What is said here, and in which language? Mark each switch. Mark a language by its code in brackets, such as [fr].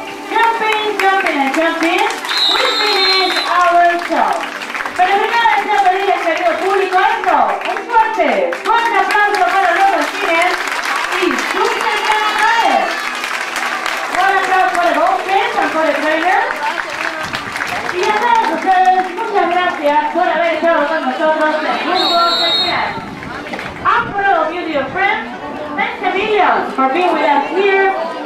[en] Jumping, jumping and jumping, we finish our show. [es] Pero primero les quiero pedir al querido público esto, un fuerte, fuerte aplauso para los bolsines y sus entrenadores. Un aplauso por el bosque, por el trainer. Y ya saben ustedes, muchas gracias por haber estado con nosotros en el grupo de final. [en] I'm proud of you, dear friends. Thanks a million for being with us here.